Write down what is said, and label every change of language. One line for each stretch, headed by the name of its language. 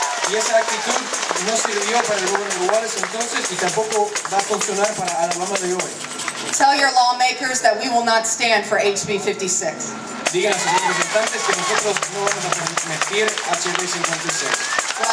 Spanish: Y esa actitud no sirvió para el gobernador Wallace entonces, y tampoco va a funcionar para Alabama de hoy.
English: Tell your lawmakers that we will not stand for HB 56.
Spanish: Digan a sus representantes que nosotros no vamos a permitir HB 56.